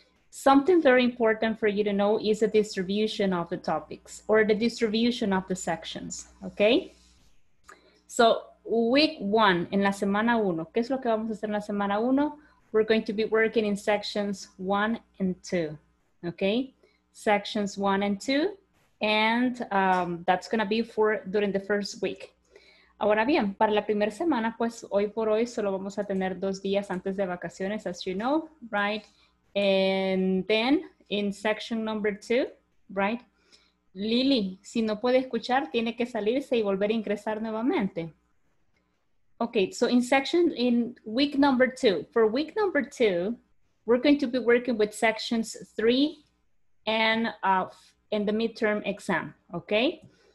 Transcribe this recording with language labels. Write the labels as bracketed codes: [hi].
[en] Something very important for you to know is the distribution of the topics or the distribution of the sections. Ok. So, week one, [es] en la semana uno, ¿qué es lo que vamos a hacer en la semana uno? [en] We're going to be working in sections 1 and 2. Ok. Sections 1 and 2, and that's going to be for during the first week. [es] Ahora bien, para la primera semana, pues hoy por hoy solo vamos a tener 2 días antes de vacaciones, [en] as you know, right? And then in section number 2, right? [es] Lily, si no puede escuchar, tiene que salirse y volver a ingresar nuevamente. [en] Okay, so in section, in week number 2, for week number 2, we're going to be working with sections 3 and in the midterm exam, okay?